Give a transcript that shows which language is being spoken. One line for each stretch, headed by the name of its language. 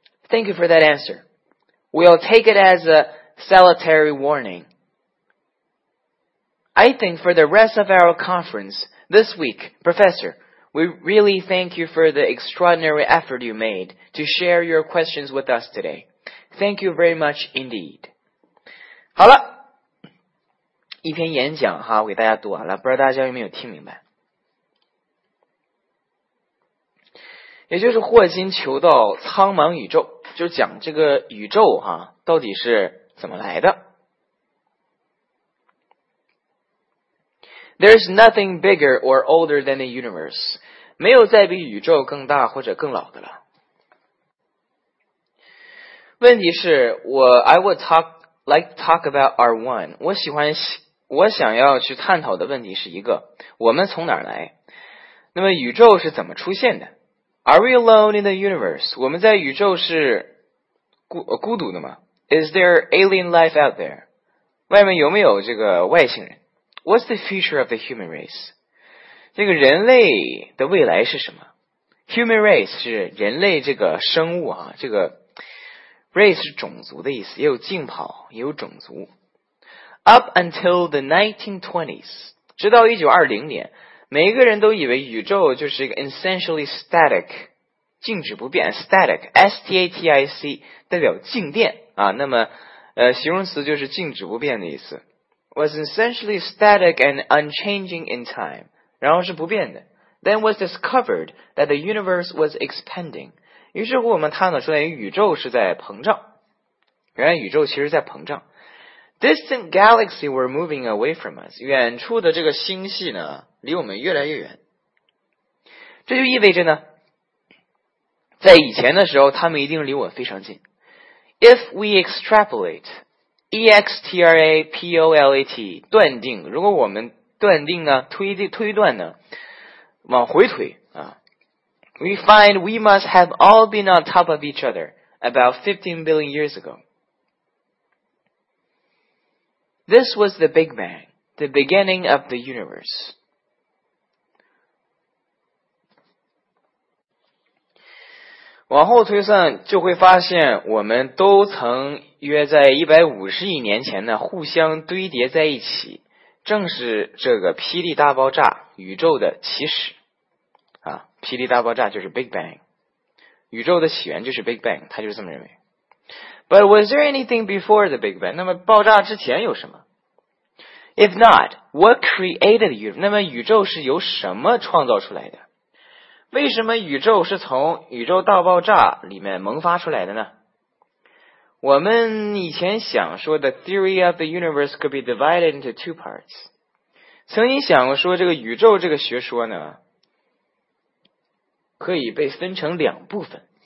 English: Thank you for that answer. We'll take it as a salutary warning. I think for the rest of our conference this week, Professor, we really thank you for the extraordinary effort you made to share your questions with us today. Thank you very much indeed.
Chinese: 好了，一篇演讲哈，我给大家读完了，不知道大家有没有听明白？也就是霍金求到苍茫宇宙，就讲这个宇宙哈，到底是怎么来的？
English: There's nothing bigger or older than the universe.
Chinese: 没有再比宇宙更大或者更老的了。问题是我
English: I would like to talk about R1.
Chinese: 我想要去探讨的问题是一个，我们从哪儿来？那么宇宙是怎么出现的？
English: Are we alone in the universe?
Chinese: 我们在宇宙是 孤独的吗？
English: Is there alien life out there?
Chinese: 外面有没有这个外星人？
English: What's the future of the human race?
Chinese: 这个人类的未来是什么？Human race 是人类这个生物啊，这个 race 是种族的意思，也有浸泡，也有种族。
English: Up until the 1920s,
Chinese: 直到1920年，每一个人都以为宇宙就是一个
English: essentially static,
Chinese: 静止不变 ,static, S-T-A-T-I-C, 代表静电啊，那么形容词就是静止不变的意思。
English: Was essentially static and unchanging in time.
Chinese: 然后是不变的。
English: Then was discovered that the universe was expanding.
Chinese: 于是乎我们探讨出来宇宙是在膨胀。原来宇宙其实在膨胀。
English: Distant galaxy were moving away from us.
Chinese: 远处的这个星系呢离我们越来越远。这就意味着呢在以前的时候他们一定离我非常近。
English: If we extrapolate,
Chinese: extrapolate 断定，如果我们断定呢，推断呢，往回推啊。
English: We find we must have all been on top of each other about 15 billion years ago. This was the Big Bang, the beginning of the universe.
Chinese: 往后推算就会发现我们都曾约在150亿年前呢互相堆叠在一起，正是这个霹雳大爆炸宇宙的起始。霹雳大爆炸就是 Big Bang， 宇宙的起源就是 Big Bang， 他就这么认为。
English: But was there anything before the Big Bang？
Chinese: 那么爆炸之前有什么？
English: If not, what created the universe？
Chinese: 那么宇宙是由什么创造出来的？为什么宇宙是从宇宙大爆炸里面萌发出来的呢？我们以前想说
English: The theory of the universe could be divided into two parts，
Chinese: 曾经想过说这个宇宙这个学说呢可以被分成两部分。